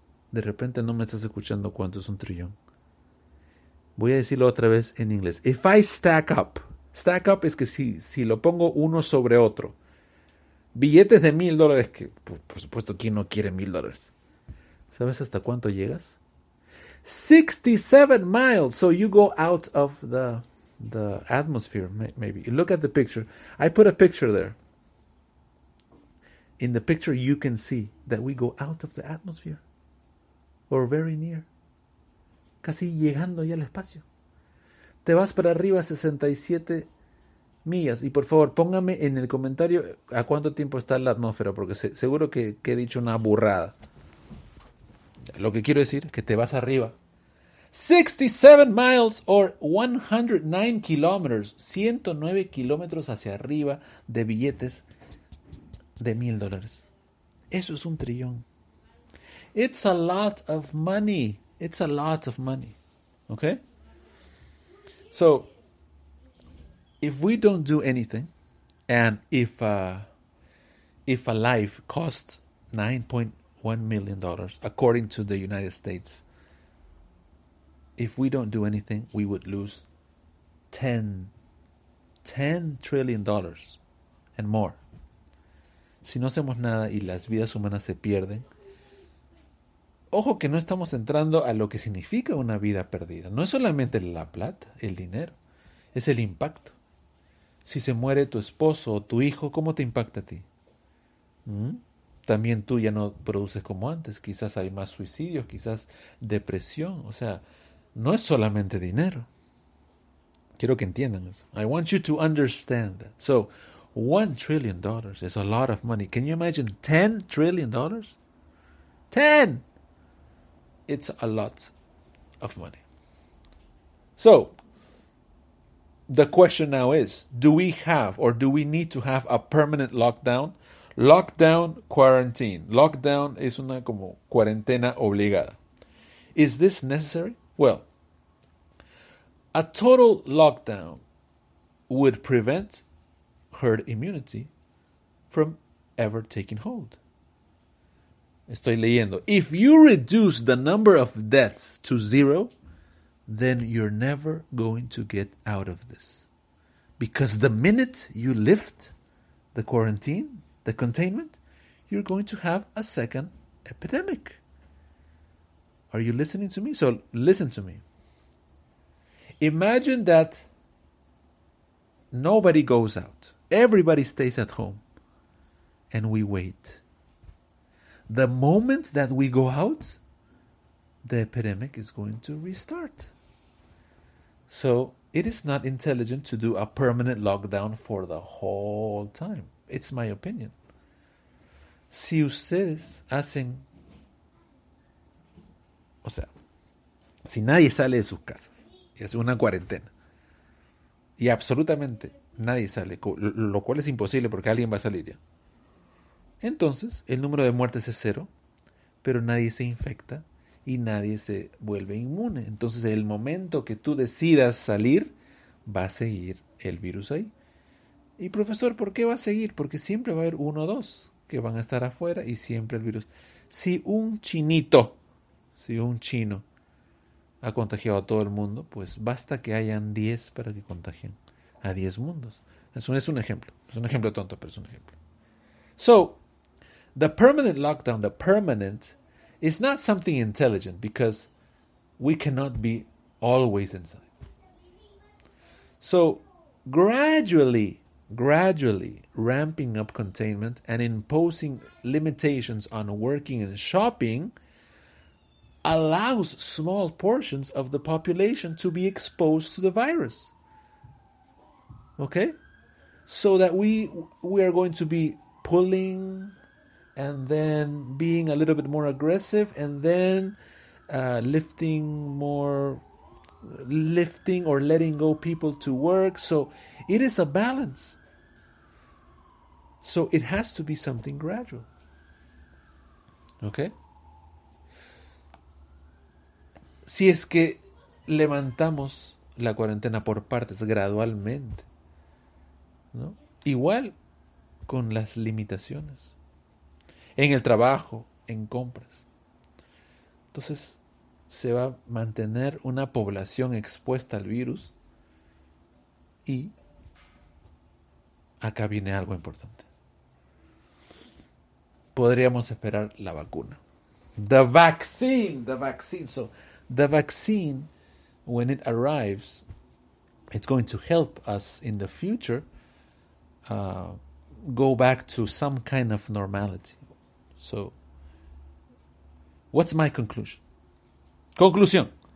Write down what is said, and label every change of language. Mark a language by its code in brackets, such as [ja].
[es] De repente no me estás escuchando cuánto es un trillón. Voy a decirlo otra vez en inglés. [en] If I stack up. Stack up [es] es que si lo pongo uno sobre otro. Billetes de $1,000 que por supuesto, ¿quién no quiere $1,000? ¿Sabes hasta cuánto llegas? [en] 67 miles. So you go out of the atmosphere, maybe. Look at the picture. I put a picture there. In the picture, you can see that we go out of the atmosphere. Or very near. [es] Casi llegando ya al espacio. Te vas para arriba 67 millas. Y por favor, póngame en el comentario a cuánto tiempo está la atmósfera, porque seguro que he dicho una burrada. Lo que quiero decir es que te vas arriba. [en] 67 miles or 109 kilometers. [es] 109 kilómetros hacia arriba de billetes de $1,000. Eso es un trillón. [en] It's a lot of money. It's a lot of money. Okay? So, if we don't do anything, and if a life costs $9.1 million, according to the United States, if we don't do anything, we would lose $10 trillion and more. [es] Si no hacemos nada y las vidas humanas se pierden, ojo que no estamos entrando a lo que significa una vida perdida. No es solamente la plata, el dinero, es el impacto. Si se muere tu esposo o tu hijo, ¿cómo te impacta a ti? También tú ya no produces como antes. Quizás hay más suicidios, quizás depresión. O sea, no es solamente dinero. Quiero que entiendan eso. [en] I want you to understand that. So, $1 trillion is a lot of money. Can you imagine $10 trillion? Ten! It's a lot of money. So, the question now is, do we have or do we need to have a permanent lockdown? Lockdown, quarantine. [es] Lockdown es una como cuarentena obligada. [en] Is this necessary? Well, a total lockdown would prevent herd immunity from ever taking hold. [es] Estoy leyendo. [en] If you reduce the number of deaths to zero, then you're never going to get out of this. Because the minute you lift the quarantine, the containment, you're going to have a second epidemic. Are you listening to me? So listen to me. Imagine that nobody goes out. Everybody stays at home. And we wait. The moment that we go out, the epidemic is going to restart. So it is not intelligent to do a permanent lockdown for the whole time. It's my opinion. [es] Si ustedes hacen, o sea, si nadie sale de sus casas, es una cuarentena, y absolutamente nadie sale, lo cual es imposible porque alguien va a salir ya, entonces el número de muertes es cero, pero nadie se infecta y nadie se vuelve inmune. Entonces el momento que tú decidas salir, va a seguir el virus ahí. Y profesor, ¿por qué va a seguir? Porque siempre va a haber uno o dos que van a estar afuera y siempre el virus. Si un chinito, si un chino ha contagiado a todo el mundo, pues basta que hayan 10 para que contagien a 10 mundos. Eso es un ejemplo. Es un ejemplo tonto, pero es un ejemplo. [en] So, the permanent lockdown, the permanent, is not something intelligent because we cannot be always inside. So, gradually ramping up containment and imposing limitations on working and shopping allows small portions of the population to be exposed to the virus. Okay? So that we are going to be pulling and then being a little bit more aggressive and then lifting or letting go people to work. So it is a balance. So it has to be something gradual. Okay? [es] Si es que levantamos la cuarentena por partes gradualmente, ¿no? Igual con las limitaciones. En el trabajo, en compras. Entonces, se va a mantener una población expuesta al virus. Y acá viene algo importante. Podríamos esperar la vacuna. [en] The vaccine. So, the vaccine, when it arrives, it's going to help us in the future go back to some kind of normality. So, what's my conclusion? Conclusión.